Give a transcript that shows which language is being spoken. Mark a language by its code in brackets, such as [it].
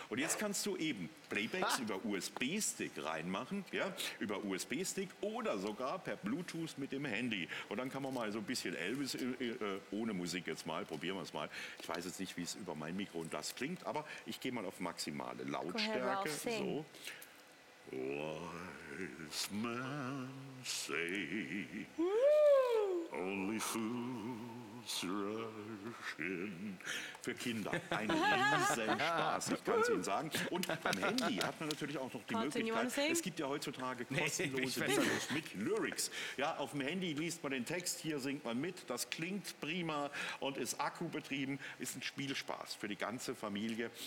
[de] Und jetzt kannst du eben Playbacks über USB-Stick reinmachen, ja? Über USB-Stick oder sogar per Bluetooth mit dem Handy. Und dann kann man mal so ein bisschen Elvis ohne Musik jetzt mal, probieren wir es mal. Ich weiß jetzt nicht, wie es über mein Mikro und das klingt, aber ich gehe mal auf maximale Lautstärke. So. [en] Wise men say, only fools rush in. [de] Für Kinder ein Riesenspaß, ich kann es Ihnen sagen. Und beim Handy hat man natürlich auch noch die Möglichkeit, es gibt ja heutzutage kostenlose mit Lyrics. Ja, auf dem Handy liest man den Text, hier singt man mit, das klingt prima und ist akkubetrieben, ist ein Spielspaß für die ganze Familie.